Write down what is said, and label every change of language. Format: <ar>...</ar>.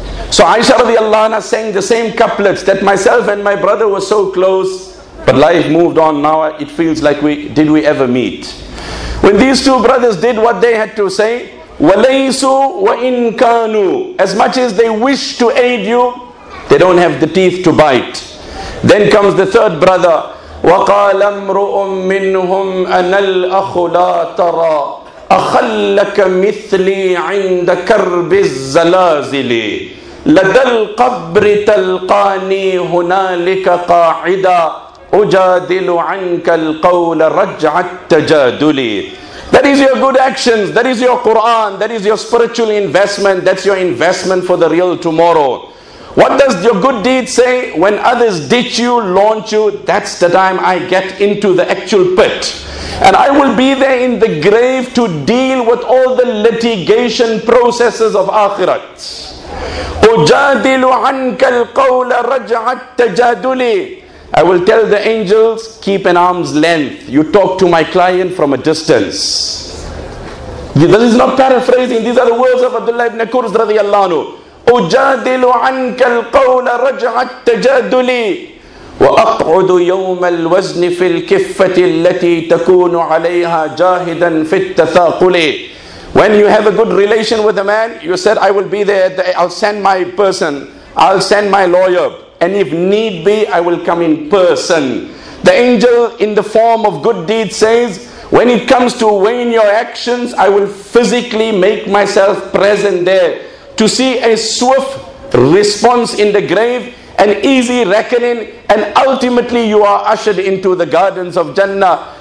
<en>So Aisha radiallahu anha sang the same couplets, that myself and my brother were so close, but life moved on. Now it feels like did we ever meet? When these two brothers did what they had to say,</en> <ar>وَلَيْسُ وَإِنْ كَانُوا,</ar> <en>as much as they wish to aid you, they don't have the teeth to bite. Then comes the third brother,</en> <ar>وَقَالَ امْرُؤٌ مِّنْهُمْ أَنَا الْأَخُ لَا تَرَى أَخَلَّكَ مِثْلِي عِنْدَ كَرْبِ الزَّلَازِلِ لَدَى الْقَبْرِ تَلْقَانِي هُنَالِكَ قَاعِدًا أُجَادِلُ عَنْكَ الْقَوْلَ رَجْعَ التَّجَادُلِ.</ar> <en>That is your good actions, that is your Quran, that is your spiritual investment, that's your investment for the real tomorrow. What does your good deed say? When others ditch you, launch you, that's the time I get into the actual pit. And I will be there in the grave to deal with all the litigation processes of akhirat.</en> <ar>أُجَادِلُ عَنْكَ الْقَوْلَ رَجْعَ التَّجَادُلِ.</ar> <en>I will tell the angels, keep an arm's length. You talk to my client from a distance. This is not paraphrasing. These are the words of Abdullah ibn Kurz radiallahu anhu.</en> <ar>أُجَادِلُ عَنْكَ الْقَوْلَ رَجْعَ التَّجَادُلِ. وأقعد يوم الوزن في الكفة التي تكون عليها جاهدا في التثاقل.</ar> <en>When you have a good relation with a man, you said, I will be there, I'll send my person, I'll send my lawyer, and if need be, I will come in person. The angel in the form of good deeds says, when it comes to weighing your actions, I will physically make myself present there to see a swift response in the grave, an easy reckoning, and ultimately you are ushered into the gardens of Jannah.</en>